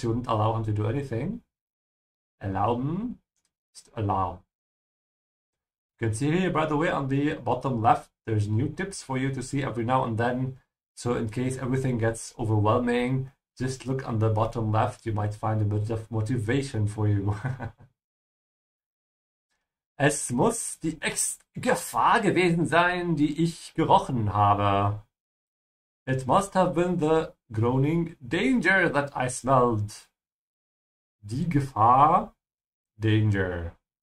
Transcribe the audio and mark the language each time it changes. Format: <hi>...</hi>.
<en>She wouldn't allow him to do anything.</en> <de>Erlauben ist</de> <en>allow. You can see here, by the way, on the bottom left, there's new tips for you to see every now and then. So in case everything gets overwhelming, just look on the bottom left, you might find a bit of motivation for you.</en> <de>Es muss die Gefahr gewesen sein, die ich gerochen habe.</de> <en>It must have been the groaning danger that I smelled.</en> <de>Die Gefahr, danger.</de>